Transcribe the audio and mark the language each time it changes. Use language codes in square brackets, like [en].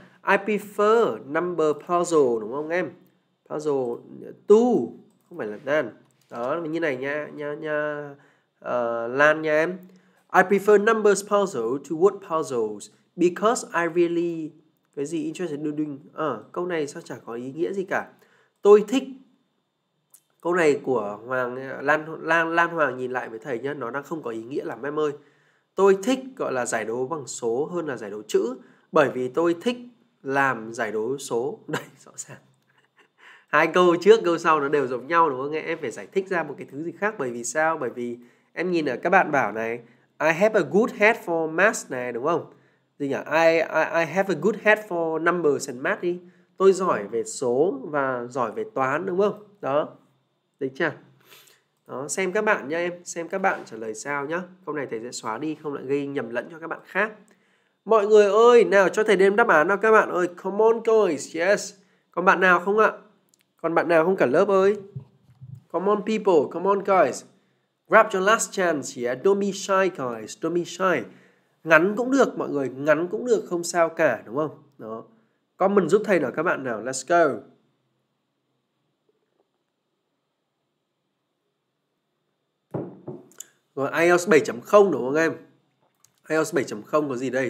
[en] I prefer number puzzle [vi] đúng không em? Puzzle 2 không phải là Dan. Đó là như này nha Lan nha em. [en] I prefer numbers puzzle to word puzzles because I really [vi] cái gì [en] interested in doing. [vi] Câu này sao chả có ý nghĩa gì cả. Tôi thích. Câu này của Hoàng Lan Hoàng nhìn lại với thầy nhá, nó đang không có ý nghĩa lắm em ơi. Tôi thích gọi là giải đố bằng số hơn là giải đố chữ bởi vì tôi thích làm giải đố số. Đây rõ ràng. Hai câu trước câu sau nó đều giống nhau đúng không? Em phải giải thích ra một cái thứ gì khác bởi vì sao? Bởi vì em nhìn ở các bạn bảo này, [en] I have a good head for math [vi] này đúng không? Gì nhỉ? [en] I have a good head for numbers and math [vi] đi. Tôi giỏi về số và giỏi về toán đúng không? Đó. Đấy chưa? Đó, xem các bạn nha em, xem các bạn trả lời sao nhá. Câu này thầy sẽ xóa đi không lại gây nhầm lẫn cho các bạn khác. Mọi người ơi, nào cho thầy đem đáp án nào các bạn ơi. [en] Come on guys. [vi] Yes. Còn bạn nào không ạ? Còn bạn nào không cả lớp ơi? [en] Come on people, come on guys. Grab your last chance. Yeah, don't be shy guys, don't be shy. [vi] Ngắn cũng được mọi người, ngắn cũng được không sao cả đúng không? Đó. Comment giúp thầy nào các bạn nào. [en] Let's go. [vi] Rồi IELTS 7.0 đúng không em? IELTS 7.0 có gì đây?